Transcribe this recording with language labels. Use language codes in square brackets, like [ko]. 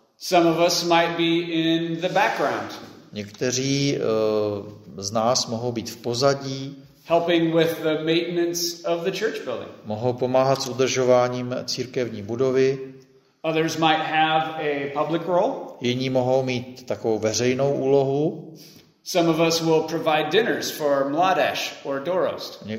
[en] Some of us might be in the background. [cs] Někteří z nás mohou být v pozadí. [en] Helping with the maintenance of the church building. [cs] Mohou pomáhat s udržováním církevní budovy. [en] Others might have a public role. [cs] Jiní mohou mít takovou veřejnou úlohu. [en] Some of us will provide dinners for Mladež or Dorost.